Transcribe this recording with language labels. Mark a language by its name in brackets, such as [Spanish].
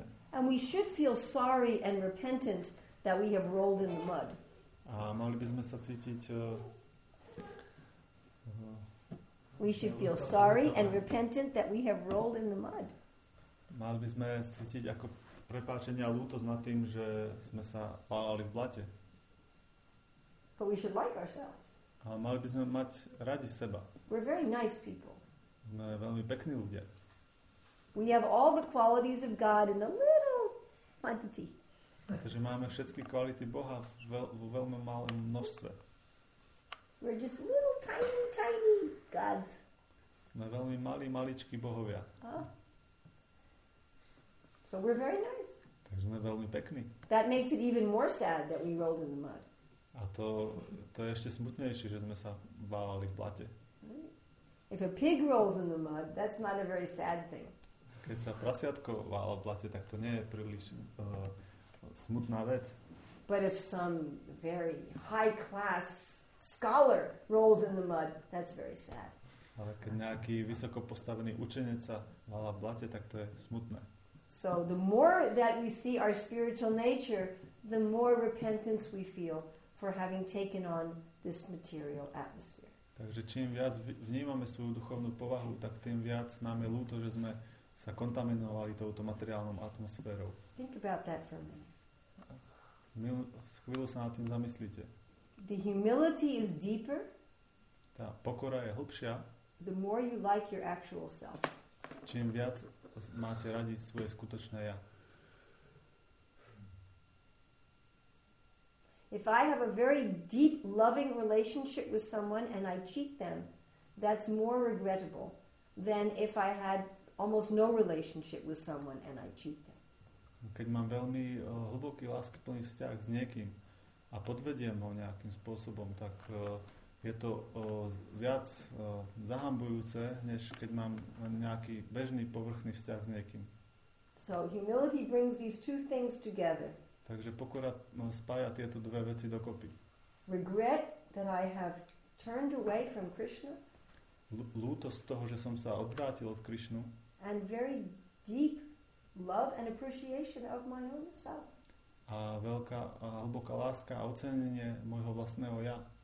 [English] And we should feel sorry and repentant that we have rolled in the mud. [Slovak] A mali by sme sa cítiť [English] We should feel sorry and repentant that we have rolled in the mud. [Slovak] Mali by sme cítiť ako prepáčenie a lútosť nad tým, že sme sa pálali v blate. [English] But we should like ourselves. [Slovak] Ale mali by sme mať radi seba. [English] We're very nice people. [Slovak] Sme veľmi pekní ľudia. [English] We have all the qualities of God in a little quantity. [Slovak] Takže máme všetky kvality Boha vo veľmi malom množstve. [English] We're just little tiny, tiny gods. [Slovak] Sme veľmi malí, maličkí bohovia. [English] So we're very nice. [Slovak] Takže sme veľmi pekní. [English] That makes it even more sad that we rolled in the mud. [Slovak] A to je ešte smutnejšie, že sme sa válali v blate. [English] If a pig rolls in the mud, that's not a very sad thing. [Slovak] Keď sa prasiatko vála v blate, tak to nie je príliš smutná vec. [English] But if some very high class scholar rolls in the mud, that's very sad. [Slovak] Ale keď nejaký vysoko postavený učenec sa vála v blate, tak to je smutné. [English] So the more that we see our spiritual nature, the more repentance we feel for having taken on this material atmosphere. [Slovak] Takže čím viac vnímame svoju duchovnú povahu, tak tým viac nám je ľúto, že sme sa kontaminovali touto materiálnou atmosférou. [English] Think about that for a minute. [Slovak] Chvíľu sa nad tým zamyslíte. [English] The humility is deeper. [Slovak] Tá pokora je hlbšia. [English] The more you like your actual self. [Slovak] Čím viac máte radi svoje skutočné ja. [English] If I have a very deep loving relationship with someone and I cheat them, that's more regrettable than if I had almost no relationship with someone and I cheat them. [Slovak] Keď mám veľmi hlboký láskyplný vzťah s niekým a podvediem ho nejakým spôsobom, tak je to viac zahambujúce, než keď mám nejaký bežný povrchný vzťah s niekým. [English] So humility brings these two things together. [Slovak] Takže pokora spája tieto dve veci dokopy. [English] Regret that I have turned away from Krishna. [Slovak] Lútosť toho, že som sa odvrátil od Krishnu. [English] And very deep love and appreciation of my own self. [Slovak] A veľká a hlboká láska a ocenenie môjho vlastného ja.